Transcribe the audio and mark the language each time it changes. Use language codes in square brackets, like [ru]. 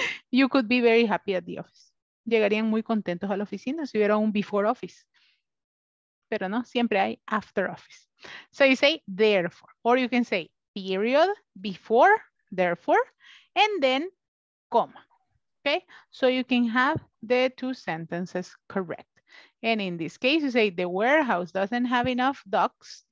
[en] You could be very happy at the office. [es] Llegarían muy contentos a la oficina si hubiera un before office. Pero no, siempre hay [en] after office. So you say therefore. Or you can say period, before, therefore, and then comma. Okay? So you can have the two sentences correct. And in this case, you say the warehouse doesn't have enough docks.